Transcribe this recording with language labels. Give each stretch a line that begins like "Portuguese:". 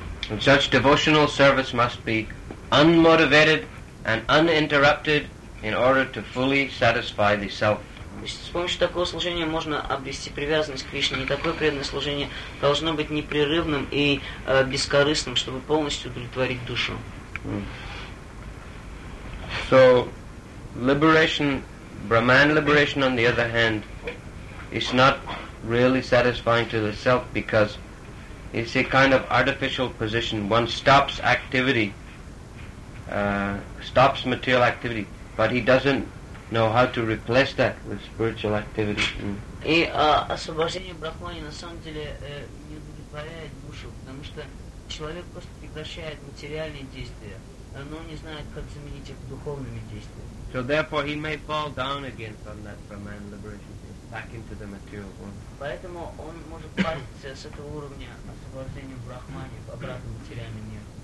English: And such devotional service must be unmotivated and uninterrupted in order to fully satisfy the self.
Russian: С помощью такого служения можно обрести привязанность к Кришне. И такое преданное служение должно быть непрерывным и бескорыстным, чтобы полностью удовлетворить душу.
English: So, liberation, Brahman liberation, on the other hand, is not really satisfying to the self because it's a kind of artificial position. One stops activity, stops material activity, but he doesn't know how to replace that with spiritual activity.
Russian: И освобождение брахмани на самом деле не удовлетворяет душу, потому что человек просто прекращает материальные действия, но не знает, как заменить их духовными действиями.
English: So therefore, he may fall down again from that Brahman liberation back into the material world.
Russian: Поэтому он может пасть с этого уровня освобождения брахмани обратно в материальный мир.